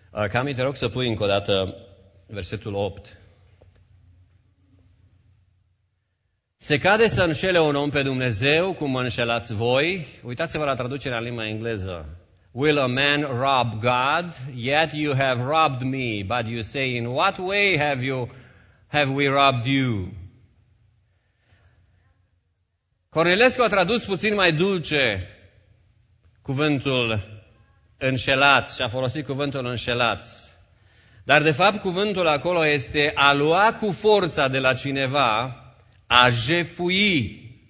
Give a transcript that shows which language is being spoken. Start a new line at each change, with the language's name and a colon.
Romanian: Cami, te rog să pui încă o dată versetul 8. Se cade să înșele un om pe Dumnezeu, cum mă înșelați voi. Uitați-vă la traducerea în limba engleză.
English: Will a man rob God? Yet you have robbed me. But you say, in what way have we robbed you?
Romanian: Cornilescu a tradus puțin mai dulce cuvântul înșelați și a folosit cuvântul înșelați. Dar de fapt cuvântul acolo este a lua cu forța de la cineva, a jefui.